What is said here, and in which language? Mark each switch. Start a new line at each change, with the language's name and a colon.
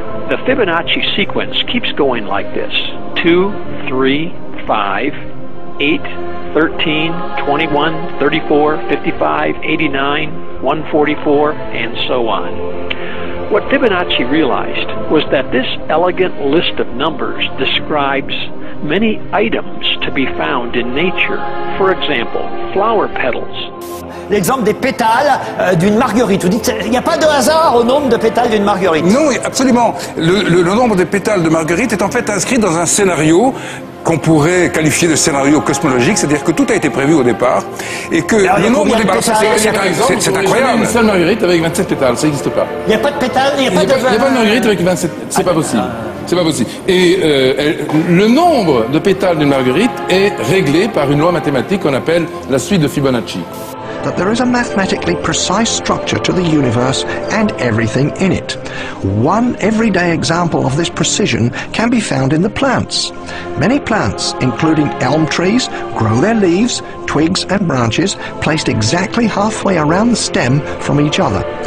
English: The Fibonacci sequence keeps going like this. 2, 3, 5, 8, 13, 21, 34, 55, 89, 144, and so on. What Fibonacci realized was that this elegant list of numbers describes many items to be found in nature. For example, flower petals.
French: L'exemple des pétales d'une marguerite. Vous dites, il n'y a pas de hasard au nombre de pétales d'une marguerite. Non, absolument. Le nombre des pétales de marguerite est en fait inscrit dans un scénario qu'on pourrait qualifier de scénario cosmologique, c'est-à-dire que tout a été prévu au départ, et que le nombre de pétales, c'est incroyable. Une seule marguerite avec 27 pétales, ça n'existe pas. Il n'y a pas de pétales, il n'y a pas de marguerite avec 27, c'est pas possible. C'est pas possible. Et le nombre de pétales d'une marguerite est réglé par une loi mathématique qu'on appelle la suite de Fibonacci.
English: That there is a mathematically precise structure to the universe and everything in it. One everyday example of this precision can be found in the plants. Many plants, including elm trees, grow their leaves, twigs and branches placed exactly halfway around the stem from each other.